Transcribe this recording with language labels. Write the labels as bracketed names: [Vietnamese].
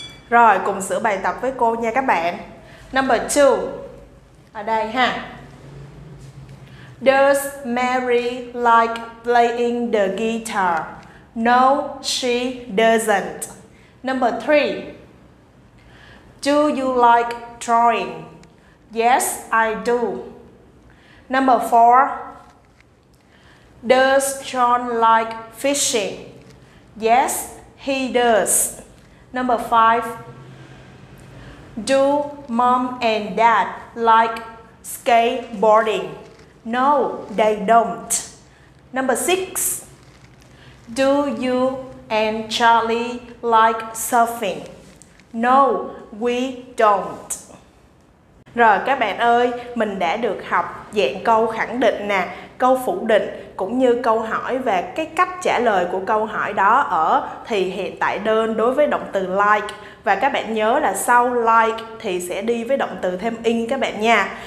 [Vietnamese] Rồi, cùng sửa bài tập với cô nha các bạn. Number 2. Ở đây ha. [English] Does Mary like playing the guitar? No, she doesn't. Number 3. Do you like drawing? Yes, I do. Number 4. Does John like fishing? Yes, he does. Number 5. Do mom and dad like skateboarding? No, they don't. Number 6. Do you and Charlie like surfing? No, we don't. [Vietnamese] Rồi các bạn ơi, mình đã được học dạng câu khẳng định nè, câu phủ định cũng như câu hỏi và cái cách trả lời của câu hỏi đó ở thì hiện tại đơn đối với động từ like. Và các bạn nhớ là sau like thì sẽ đi với động từ thêm in các bạn nha.